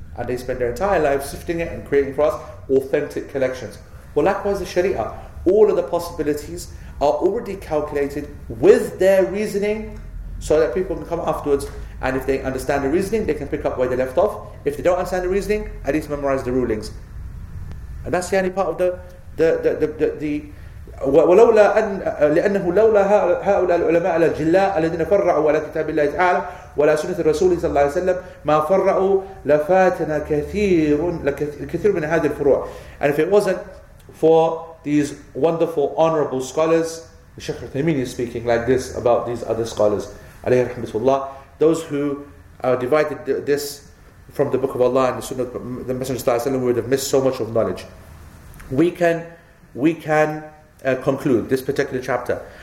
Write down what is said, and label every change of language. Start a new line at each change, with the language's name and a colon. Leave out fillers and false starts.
English: And they spend their entire lives sifting it and creating for us authentic collections. Well, likewise the Sharia. All of the possibilities are already calculated with their reasoning, so that people can come afterwards. And if they understand the reasoning, they can pick up where they left off. If they don't understand the reasoning, at least memorize the rulings. And that's the only part of the
Arabic: ولولا أن لأنه لولا هؤلاء العلماء الجلاء الذين فرعوا على كتاب الله تعالى ولا سنة الرسول صلى الله عليه وسلم ما فرعوا لفاتنا كثير من هذه الفروع.
English: And if it wasn't for these wonderful, honorable scholars, Sheikh Uthaymeen is speaking like this about these other scholars, alayhi rahmatullah, those who divided this from the Book of Allah and the Sunnah of the Messenger sallallahu alayhi wa sallam, would have missed so much of knowledge. We can conclude this particular chapter.